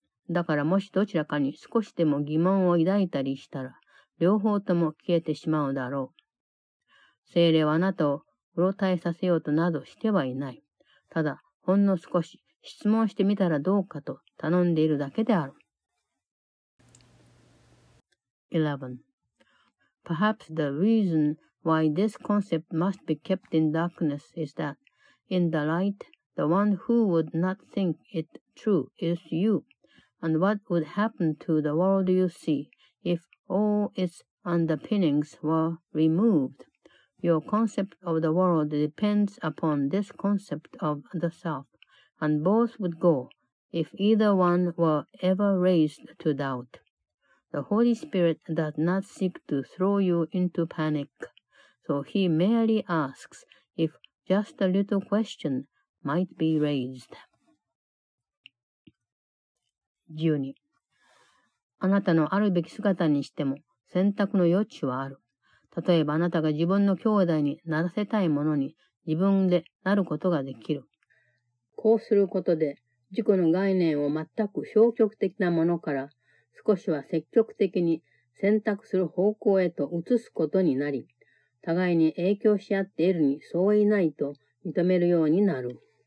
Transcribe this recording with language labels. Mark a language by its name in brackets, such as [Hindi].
[Japanese] だからもしどちらかに少しでも疑問を抱いたりしたら、両方とも消えてしまうだろう。精霊はあなたをうろたえさせようとなどしてはいない。ただ、ほんの少し質問してみたらどうかと頼んでいるだけである。 11. [English] Perhaps the reason why this concept must be kept in darkness is that, in the light, the one who would not think it true is you. And what would happen to the world you see if all its underpinnings were removed? Your concept of the world depends upon this concept of the self, and both would go if either one were ever raised to doubt. The Holy Spirit does not seek to throw you into panic, so he merely asks if just a little question might be raised. 12. [Japanese] あなたのあるべき姿にしても選択の余地はある。例えばあなたが自分の兄弟にならせたいものに自分でなることができる。こうすることで自己の概念を全く消極的なものから少しは積極的に選択する方向へと移すことになり、互いに影響し合っているに相違ないと認めるようになる。